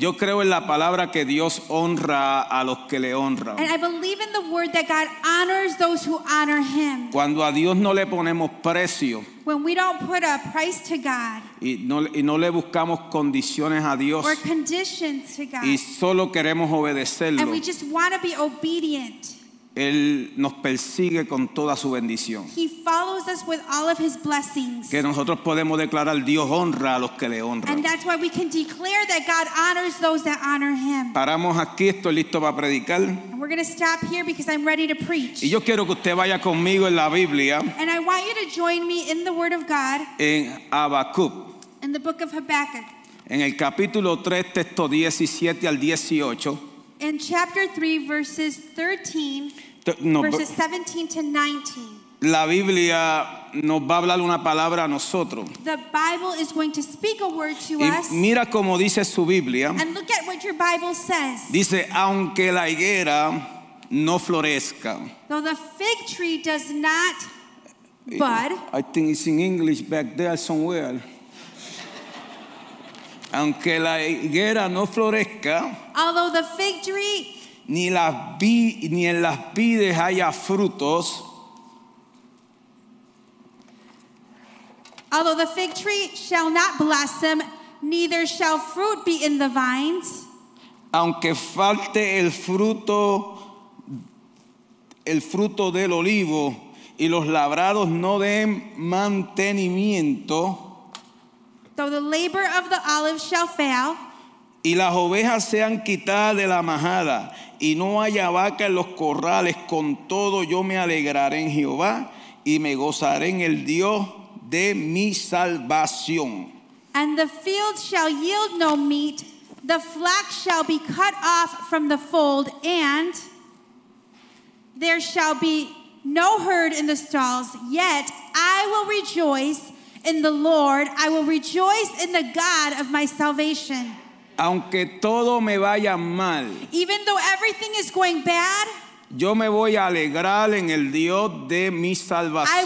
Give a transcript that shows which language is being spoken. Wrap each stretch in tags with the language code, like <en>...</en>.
<es>Yo creo en la palabra que Dios honra a los que le honran.</es> <en>And I believe in the word that God honors those who honor him.</en> <es>Cuando a Dios no le ponemos precio.</es> <en>When we don't put a price to God.</en> <es>Y no le buscamos condiciones a Dios.</es> <en>Or conditions to God.</en> <es>Y solo queremos obedecerlo.</es> <en>And we just want to be obedient.</en> <es>Él nos persigue con toda su bendición.</es> <en>He follows us with all of his blessings.</en> <es>Que nosotros podemos declarar Dios honra a los que le honran.</es> <en>And that's why we can declare that God honors those that honor him.</en> <es>Paramos aquí, estoy listo para predicar.</es> <en>And we're going to stop here because I'm ready to preach.</en> <es>Y yo quiero que usted vaya conmigo en la Biblia.</es> <en>And I want you to join me in the word of God.</en> <es>En Habacuc.</es> <en>In the book of Habakkuk.</en> <es>En el capítulo 3, texto 17 al 18.</es> <en>In chapter 3, verses 13, verses 17 to 19.</en> <es>La Biblia nos va a hablar una palabra a nosotros.</es> <en>The Bible is going to speak a word to us.</en> <es>Mira como dice su Biblia.</es> <en>And look at what your Bible says.</en> <es>Dice, aunque la higuera no florezca.</es> <en>Though the fig tree does not bud. I think it's in English back there somewhere.</en> <es>Aunque la higuera no florezca,</es> <en>although the fig tree,</en> <es>ni en las vides haya frutos,</es> <en>although the fig tree shall not blossom, neither shall fruit be in the vines,</en> <es>aunque falte el fruto del olivo, y los labrados no den mantenimiento,</es> <en>though the labor of the olive shall fail,</en> <es>y las ovejas sean quitadas de la majada, y no haya vaca en los corrales, con todo yo me alegraré en Jehová, y me gozaré en el Dios de mi salvación.</es> <en>And the field shall yield no meat, the flock shall be cut off from the fold, and there shall be no herd in the stalls, yet I will rejoice in the Lord, I will rejoice in the God of my salvation.</en> <es>Aunque todo me vaya mal,</es> <en>even though everything is going bad,</en> <es>yo me voy a alegrar en el Dios de mi salvación.</es>